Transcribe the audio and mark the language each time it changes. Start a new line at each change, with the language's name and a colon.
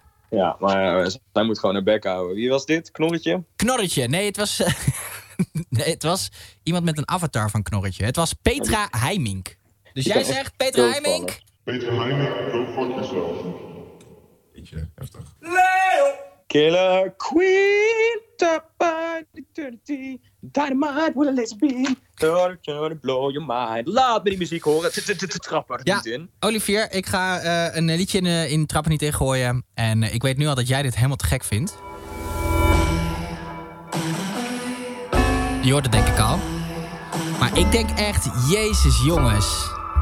Dutch: Ja, maar zij moet gewoon haar bek houden. Wie was dit? Knorretje? Knorretje. Nee, het was... het was iemand met een avatar van Knorretje. Het was Petra Heimink. Dus jij zegt Petra Heimink?
English: Petra Heimink, go fuck yourself.
Dutch: Beetje heftig. Leo!
English: Killer Queen, top by eternity, dynamite with a laser beam, don't you wanna blow your mind.
Dutch: Laat me die muziek horen, trapper ja, niet in. Olivier, ik ga een liedje in trapper niet in gooien en ik weet nu al dat jij dit helemaal te gek vindt. Je hoort het denk ik al, maar ik denk echt, jezus jongens.